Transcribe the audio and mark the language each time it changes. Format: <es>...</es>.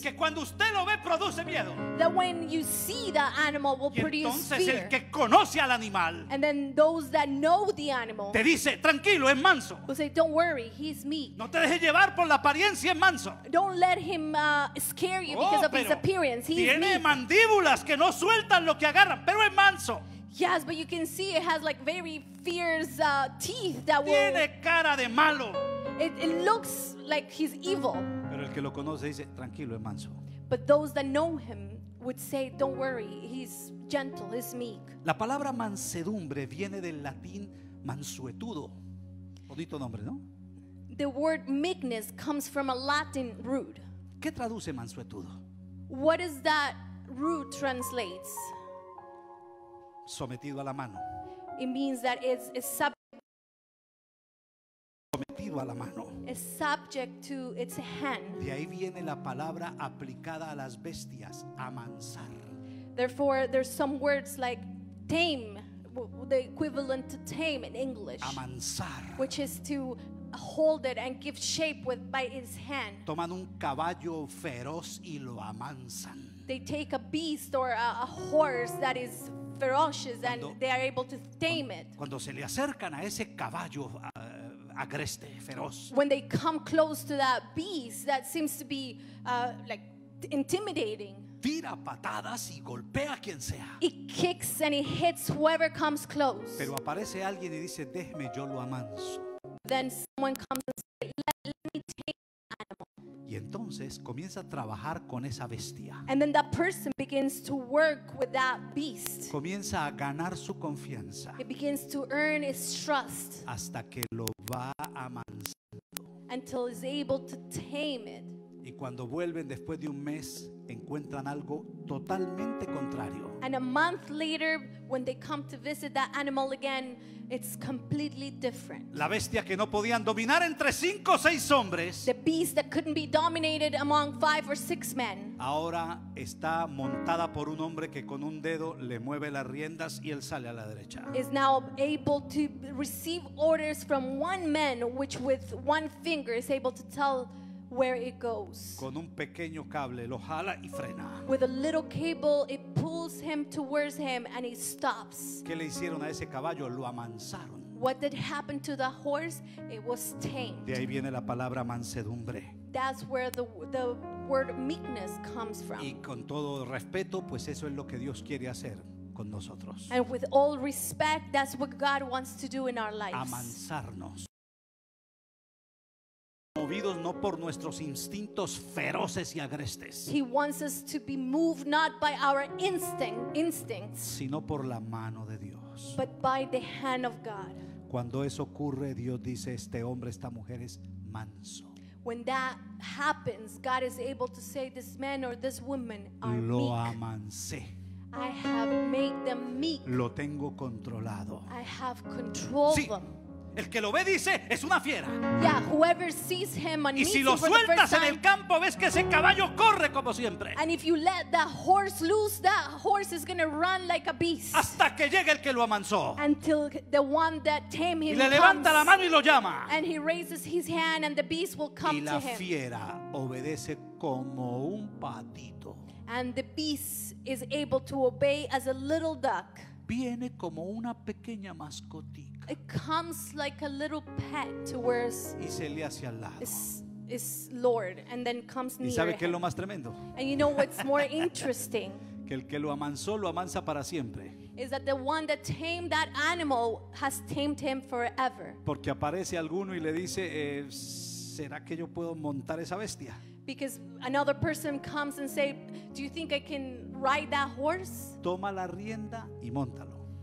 <es>Que cuando usted lo ve produce miedo.</es> <en>That when you see the animal will produce fear.</en> <es>Y entonces el que conoce al animal.</es> <en>And then those that know the animal.</en> <es>Te dice, tranquilo, es manso.</es> <en>Will say, don't worry, he's meek.</en> <es>No te dejes llevar por la apariencia, es manso.</es> <en>Don't let him scare you because of his appearance. He's</en> <es>tiene</es> <en>meek.</en> <es>Tiene mandíbulas que no sueltan lo que agarran, pero es manso.</es> <en>Yes, but you can see it has like very fierce teeth that</en> <es>tiene Tiene cara de malo.</es> <en>It looks like he's evil.</en> <es>Pero el que lo conoce dice, tranquilo, es manso.</es> <en>But those that know him would say, don't worry, he's gentle, he's meek.</en> <es>La palabra mansedumbre viene del latín mansuetudo. Bonito nombre, ¿no?</es> <en>The word meekness comes from a Latin root.</en> <es>¿Qué traduce mansuetudo?</es> <en>What is that root translates?</en> <es>Sometido a la mano.</es> <en>It means that it's</en> <es>sometido a la mano.</es> <en>Is subject to its hand.</en> <es>De ahí viene la palabra aplicada a las bestias, amansar.</es> <en>Therefore, there's some words like tame, the equivalent to tame in English.</en> <es>Amansar.</es> <en>Which is to hold it and give shape with by its hand.</en> <es>Toman un caballo feroz y lo amansan.</es> <en>They take a beast or a horse that is ferocious and they are able to tame it.</en> <es>Cuando se le acercan a ese caballo agreste, feroz.</es> <en>When they come close to that beast that seems to be intimidating.</en> <es>Tira patadas y golpea a quien sea.</es> <en>It kicks and it hits whoever comes close.</en> <es>Pero aparece alguien y dice, déjeme yo lo amanso.</es> <en>Then someone comes and says, let me take the animal.</en> <es>Y entonces comienza a trabajar con esa bestia.</es> <en>And then that person begins to work with that beast.</en> <es>Comienza a ganar su confianza.</es> <en>It begins to earn its trust.</en> <es>Hasta que lo va amansando.</es> <en>Until it's able to tame it.</en> <es>Y cuando vuelven después de un mes, encuentran algo totalmente contrario.</es> <en>And a month later, when they come to visit that animal again, it's completely different.</en> <es>La bestia que no podían dominar entre 5 o 6 hombres.</es> <en>The beast that couldn't be dominated among 5 or 6 men.</en> <es>Ahora está montada por un hombre que con un dedo le mueve las riendas y él sale a la derecha.</es> <en>Is now able to receive orders from one man, which with one finger is able to tell where it goes.</en> <es>Con un pequeño cable lo jala y frena.</es> <en>With a little cable it pulls him towards him and he stops.</en> <es>¿Qué le hicieron a ese caballo? Lo amansaron.</es> <en>What did happen to the horse? It was tamed.</en> <es>De ahí viene la palabra mansedumbre.</es> <en>That's where the word meekness comes from.</en> <es>Y con todo respeto, pues eso es lo que Dios quiere hacer con nosotros.</es> <en>And with all respect, that's what God wants to do in our lives.</en> <es>Amansarnos. Movidos no por nuestros instintos feroces y agrestes.</es> <en>He wants us to be moved not by our instincts,</en> <es>sino por la mano de Dios.</es> <en>But by the hand of God.</en> <es>Cuando eso ocurre, Dios dice, este hombre, esta mujer es manso.</es> <en>When that happens, God is able to say, this man or this woman are meek.</en> <es>Lo amansé.</es> <en>I have made them meek.</en> <es>Lo tengo controlado.</es> <en>I have controlled them.</en> <es>El que lo ve dice, es una fiera.</es> <en>Yeah, whoever sees him and</en> <es>y si lo sueltas en el campo ves que ese caballo corre como siempre.</es> <en>And if you let that horse loose, that horse is going to run like a beast.</en> <es>Hasta que llegue el que lo amansó.</es> <en>Until the one that tamed him.</en> <es>Y le levanta la mano y lo llama.</es> <en>And he raises his hand and the beast will come to him.</en> <es>Y la fiera obedece como un patito.</es> <en>And the beast is able to obey as a little duck.</en> <es>Viene como una pequeña mascotica.</es> <en>It comes like a little pet towards.</en> <es>Y se le hace al lado.</es> <en>Is Lord, and then comes near.</en> <es>¿Y sabe qué es lo más tremendo?</es> <en>And you know what's more interesting?</en> <es>Que el que lo amansó lo amansa para siempre.</es> <en>Is that the one that tamed that animal has tamed him forever?</en> <es>Porque aparece alguno y le dice, ¿será que yo puedo montar esa bestia?</es> <en>Because another person comes and say, do you think I can ride that horse?</en> <es>Toma la rienda y móntalo.</es>